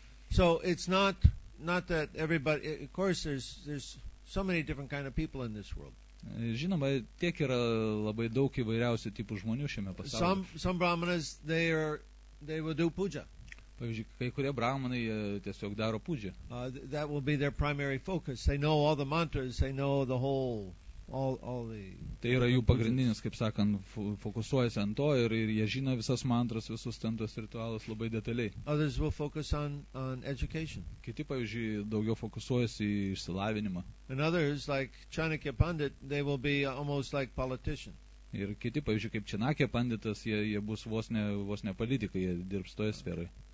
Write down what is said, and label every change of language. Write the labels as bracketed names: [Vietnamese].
[English] So it's not that everybody, of course there's so many different kind of people in this world. [Lithuanian] Žinoma, tiek yra labai daug įvairiausių tipų žmonių šiame pasaulyje. [English] Some brahmanas they will do puja. [Lithuanian] Pavyzdžiui, kai kurie brahmanai tiesiog daro pūdžią. [English] That will be their primary focus. They know all the mantras, they know the whole, all the... [Lithuanian] Tai yra jų pagrindinis, kaip sakant, fokusuojasi ant to ir jie žino visas mantras, visus ten tos ritualus labai detaliai. [English] Others will focus on education. [Lithuanian] Kiti, pavyzdžiui, daugiau fokusuojasi į išsilavinimą. [English] And others, like Chanakya Pandit, they will be almost like politicians. [Lithuanian] Ir kiti, pavyzdžiui, kaip Čenakė panditas, jie bus vos ne politikai, jie dirbs toje sferoje.